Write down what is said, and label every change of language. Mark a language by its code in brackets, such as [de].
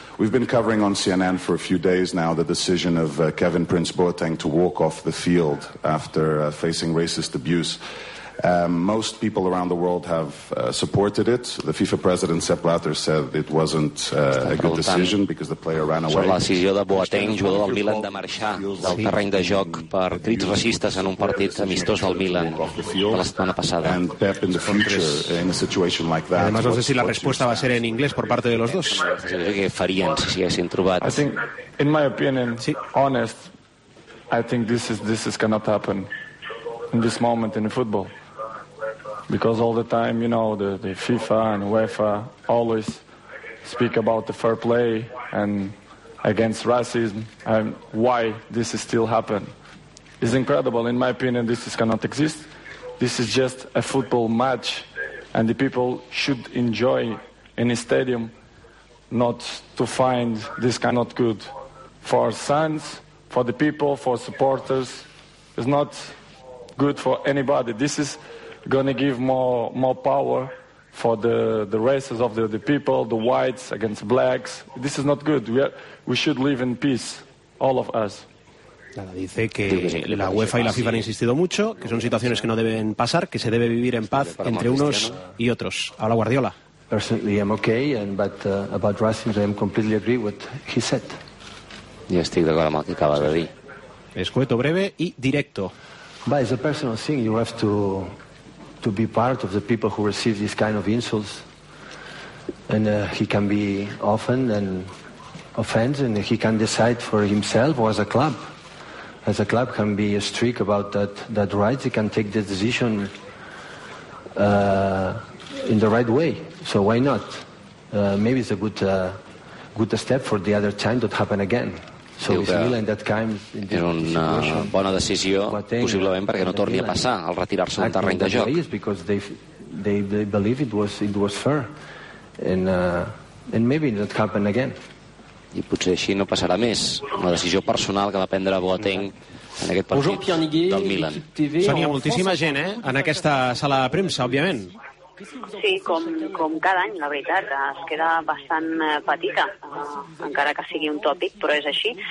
[en] We've been covering on CNN for a few days now the decision of Kevin Prince-Boateng to walk off the field after facing racist abuse. Most people around the world have supported it. The FIFA president, Sepp Blatter, said it wasn't a good decision because the player ran away. [ca] La decisió de Boateng, jugador del Milan, de marxar del terreny de joc per crits racistes en un partit amistós del Milan de la setmana passada. [en] And Pep, in the future, in a situation like that, [es] además, no sé si la respuesta va a ser en inglés por parte de los dos. [ca] ¿Qué farien si s'haguessin trobat? [en] I think, in my opinion, sí. Honest, I think this cannot happen in this moment in the football. Because all the time, you know, the FIFA and UEFA always speak about the fair play and against racism and why this is still happen. It's incredible. In my opinion, this is cannot exist. This is just a football match and the people should enjoy in a stadium, not to find this cannot good for fans, for the people, for supporters. It's not good for anybody. This is gonna give more power for the races of the people, the whites against blacks. This is not good. We should live in peace, all of us. [es] Nada, dice que la UEFA y la FIFA han insistido mucho, que son situaciones que no deben pasar, que se debe vivir en paz entre unos y otros. Ahora Guardiola. [en] Personally, I'm okay, but about racism, I completely agree with he said. [es] Y estoy de acuerdo con lo que acaba de decir. Escueto, breve y directo. [en] But it's a personal thing. You have to be part of the people who receive these kind of insults, and he can be often and offends, and he can decide for himself or as a club can be a strict about that rights. He can take the decision in the right way, so why not? Maybe it's a good step for the other time that happened again. So [ca] és una bona decisió, possiblement perquè no torni a passar al retirar-se del terreny de joc. [en] It's because they believe it was fair, and maybe that happened again. [ca] I potser així no passarà més. Una decisió personal que va prendre Boateng en aquest partit del Milan. Sonia, moltíssima gent, en aquesta sala de premsa, òbviament. Sí, com cada any, la veritat, es queda bastant petita, encara que sigui un tòpic, però és així.